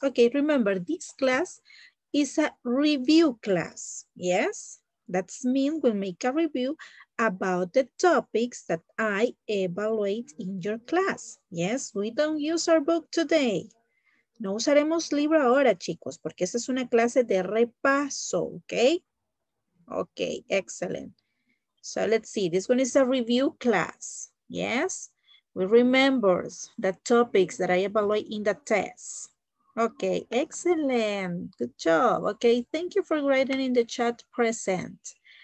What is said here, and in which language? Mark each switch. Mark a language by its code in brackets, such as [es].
[en] Okay, remember this class is a review class. Yes, that means we'll make a review about the topics that I evaluate in your class. Yes, we don't use our book today. [es] No usaremos libro ahora, chicos, porque esta es una clase de repaso, okay? [en] Okay, excellent. So let's see, this one is a review class, yes? We remember the topics that I evaluate in the test. Okay, excellent. Good job. Okay, thank you for writing in the chat present.